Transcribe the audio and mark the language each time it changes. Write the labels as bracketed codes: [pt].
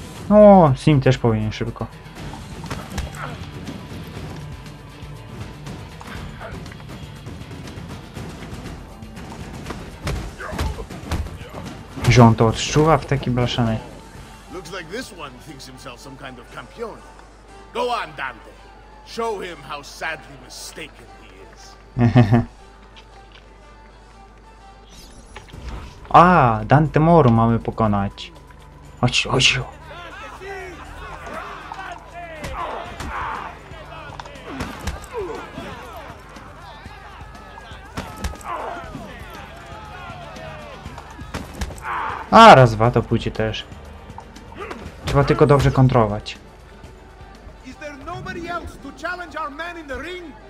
[pl] No, sim też powinien szybko. Że on to odczuwa w taki blaszany. [en] Looks like this one thinks himself some kind of campion. Go on, Dante. Show him how sadly mistaken he is. [pl] A, Dante Moro mamy pokonać. Chodź, chodź. A, raz, dwa, to pójdzie też. Trzeba tylko dobrze kontrolować. [en] Is there nobody else to challenge our man in the ring?